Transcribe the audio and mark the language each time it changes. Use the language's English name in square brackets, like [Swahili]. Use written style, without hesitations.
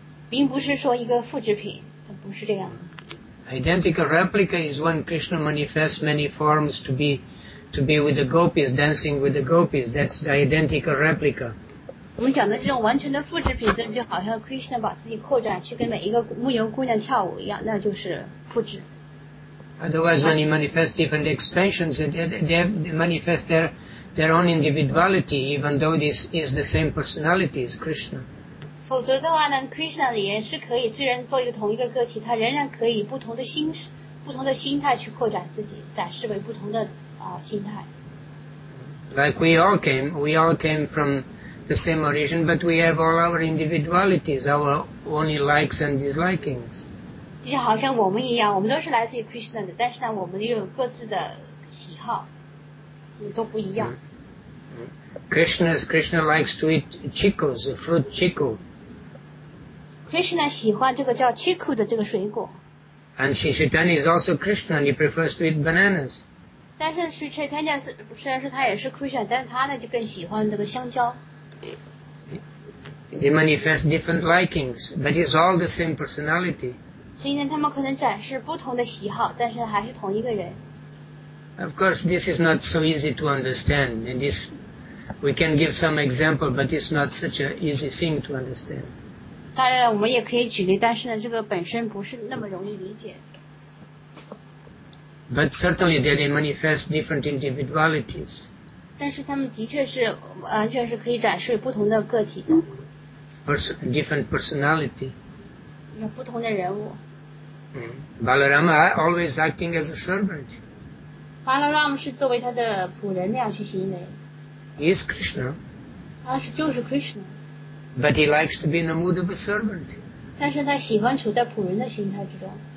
[Chinese] 并不是说一个复制品，它不是这样。 [English] Identical replica is when Krishna manifests many forms to be with the gopis, dancing with the gopis. That's the identical replica. [Chinese] 我们讲的这种完全的复制品，这就好像 Krishna 把自己扩展去跟每一个牧牛姑娘跳舞一样，那就是复制。 [English] Otherwise, when he manifests different expansions, they manifest their own individuality, even though this is the same personality as Krishna. [Chinese] 否则的话呢 ，Krishna 也是可以，虽然做一个同一个个体，他仍然可以不同的心态去扩展自己，展示为不同的心态。 [English] Like we all came from the same origin, but we have all our individualities, our only likes and dislikings. [Chinese] 就好像我们一样，我们都是来自于 Krishna 的，但是呢，我们又有各自的喜好，都不一样。 [English] Krishna likes to eat chikus, fruit chiku. [Chinese] Krishna 喜欢这个叫 chiku 的这个水果。 [English] And Sri Chaitanya is also Krishna, and he prefers to eat bananas. [Chinese] 但是 Sri Chaitanya 虽然说他也是 Krishna, 但是他呢就更喜欢这个香蕉。 [English] They manifest different likings, but it's all the same personality. [Chinese] 所以呢，他们可能展示不同的喜好，但是还是同一个人。 [English] Of course, this is not so easy to understand, and this we can give some example, but it's not such an easy thing to understand. [Chinese] 当然了，我们也可以举例，但是呢，这个本身不是那么容易理解。 [English] But certainly, they manifest different individualities. [Chinese] 但是他们的确是完全是可以展示不同的个体的。 [English] Different personality. [Chinese] 有不同的人物。 [English] Balarama always acting as a servant. [Chinese] Balarama 是作为他的仆人那样去行为。 [English] He is Krishna. [Chinese] 他是就是 Krishna. [English] But he likes to be in the mood of a servant. [Chinese] 但是他喜欢处在仆人的心态之中。